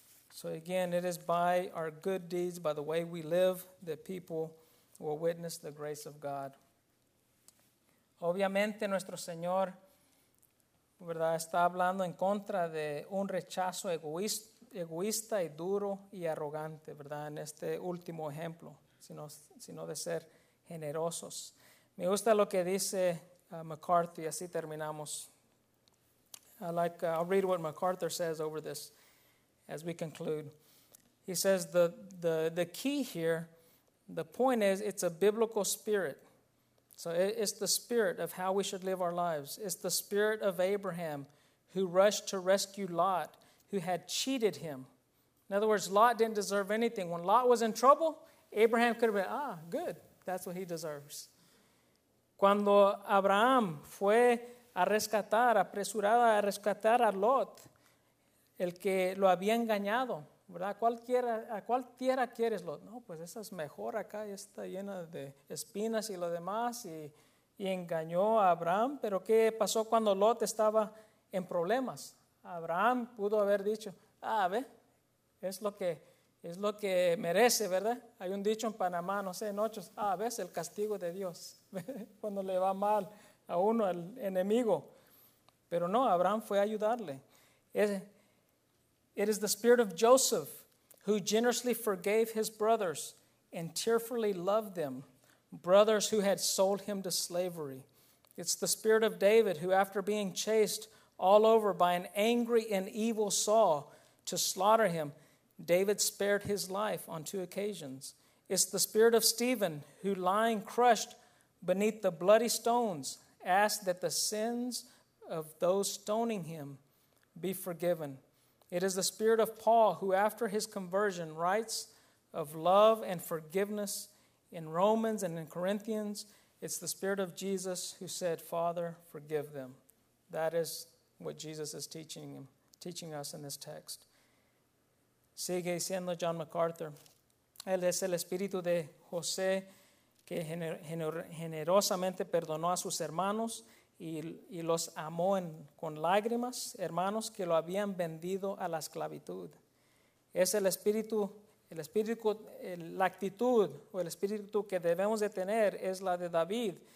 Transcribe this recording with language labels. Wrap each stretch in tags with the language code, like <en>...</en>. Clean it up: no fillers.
<en>So again, it is by our good deeds, by the way we live, that people will witness the grace of God.</en> <es>Obviamente, nuestro Señor, ¿verdad?, está hablando en contra de un rechazo egoísta y duro y arrogante, ¿verdad?, en este último ejemplo, sino de ser generosos. Me gusta lo que dice MacArthur, y así terminamos.</es> <en>I'll read what MacArthur says over this as we conclude. He says the key here, the point is, it's a biblical spirit. So it's the spirit of how we should live our lives. It's the spirit of Abraham who rushed to rescue Lot, who had cheated him. In other words, Lot didn't deserve anything. When Lot was in trouble, Abraham could have been, good, that's what he deserves.</en> <es>Cuando Abraham fue apresurado a rescatar a Lot, el que lo había engañado, ¿verdad? ¿A cuál tierra quieres, Lot? No, pues esa es mejor acá, está llena de espinas y lo demás, y engañó a Abraham. Pero ¿qué pasó cuando Lot estaba en problemas? Abraham pudo haber dicho, ve, es lo que merece, ¿verdad? Hay un dicho en Panamá, no sé, en ocho, ves el castigo de Dios, cuando le va mal a uno, al enemigo. Pero no, Abraham fue a ayudarle.</es> <en>It is the spirit of Joseph who generously forgave his brothers and tearfully loved them, brothers who had sold him to slavery. It's the spirit of David who, after being chased all over by an angry and evil Saul to slaughter him, David spared his life on two occasions. It's the spirit of Stephen who, lying crushed beneath the bloody stones, asked that the sins of those stoning him be forgiven. It is the spirit of Paul who, after his conversion, writes of love and forgiveness in Romans and in Corinthians. It's the spirit of Jesus who said, Father, forgive them. That is what Jesus is teaching us in this text.</en> <es>Sigue diciendo John MacArthur. Él es el espíritu de José que generosamente perdonó a sus hermanos y los amó con lágrimas, hermanos que lo habían vendido a la esclavitud. Es el espíritu, la actitud o el espíritu que debemos de tener es la de David,</es>